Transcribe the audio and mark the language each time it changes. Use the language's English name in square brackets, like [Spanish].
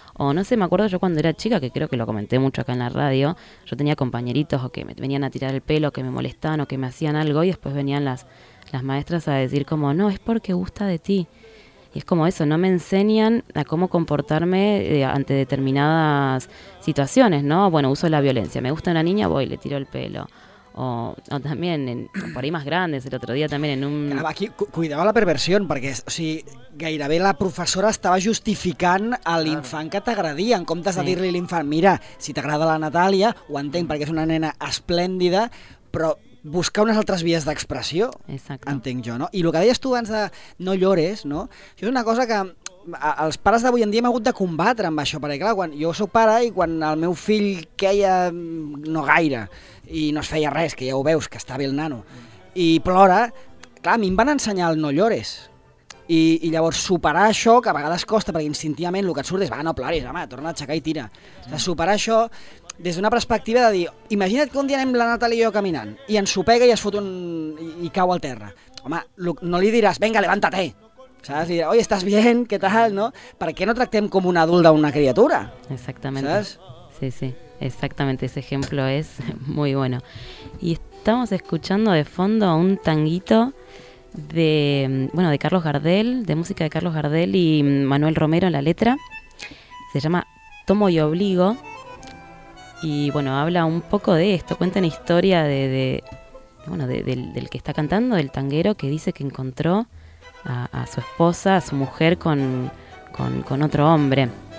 [Spanish] O no sé, me acuerdo yo cuando era chica, que creo que lo comenté mucho acá en la radio, yo tenía compañeritos o que me venían a tirar el pelo, que me molestaban, o que me hacían algo, y después venían las maestras a decir como, no, es porque gusta de ti. Y es como eso, no me enseñan a cómo comportarme ante determinadas situaciones, ¿no? Bueno, uso la violencia, me gusta una niña, voy, le tiro el pelo. O también, por ahí más grandes, el otro día también en un... Aquí, cuidado la perversión, [Catalan] perquè, o sigui, gairebé la professora estava justificant a l'infant que t'agradia, en comptes de dir-li a l'infant, mira, si t'agrada la Natàlia, ho entenc, perquè és una nena esplèndida, però buscar unes altres vies d'expressió, entenc jo, no? I el que deies tu abans de [Spanish] no llores, [Catalan] no? Això és una cosa que els pares d'avui en dia hem hagut de combatre amb això, perquè clar, quan jo soc pare i quan el meu fill queia no gaire i no es feia res, que ja ho veus, que està bé el nano, i plora, clar, a mi em van ensenyar el [Spanish] no llores. [Catalan] I llavors superar això, que a vegades costa, perquè instintivament el que et surt és, va, no ploris, home, torna a aixecar i tira. O sigui, superar això des d'una perspectiva de dir, imagina't que un dia anem la Natàlia i jo caminant, i ens sopega i es fot un... i cau al terra. Home, no li diràs, [Spanish] venga, levántate. [Catalan] Saps? I dirà, oi, estàs bien, què tal, no? Per què no tractem com un adult d'una criatura? Exactament. Saps? Sí, sí, exactament. [Spanish] Ese ejemplo es muy bueno. Y estamos escuchando de fondo un tanguito de, bueno, de Carlos Gardel, de música de Carlos Gardel y Manuel Romero en la letra. Se llama Tomo y Obligo. Y bueno, habla un poco de esto, cuenta una historia del que está cantando, del tanguero, que dice que encontró a su esposa, a su mujer con otro hombre.